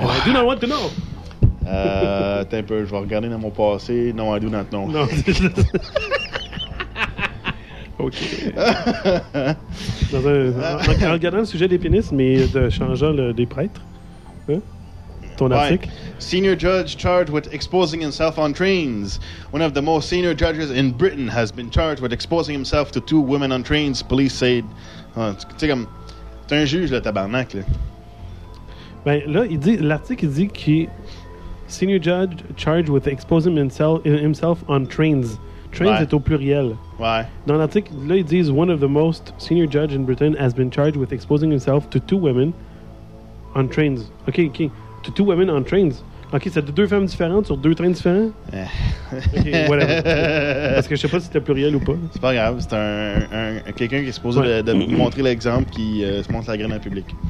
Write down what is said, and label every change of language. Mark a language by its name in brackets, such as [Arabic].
[English] I do not want to know. [French] Attends un peu, je vais regarder dans mon passé. [English] Non, I do not know. [French] Non, c'est juste... OK. En regardant le sujet des pénis, mais de changeant des prêtres, hein? Ton article. [English] Why? Senior judge charged with exposing himself on trains. One of the most senior judges in Britain has been charged with exposing himself to two women on trains, police said. [French] Tu sais, comme, t'es un juge, le tabarnak, là. Ben, là, il dit, l'article, il dit que [English] senior judge charged with exposing himself on trains. [French] Trains est au pluriel. Ouais. Dans l'article, là, il dit, [English] one of the most senior judge in Britain has been charged with exposing himself to two women on trains. OK. To two women on trains. [French] OK, c'est deux femmes différentes sur deux trains différents? OK, [English] whatever. [French] Parce que je sais pas si c'était pluriel ou pas. C'est pas grave. C'est un quelqu'un qui est supposé de montrer l'exemple qui se montre la graine en public.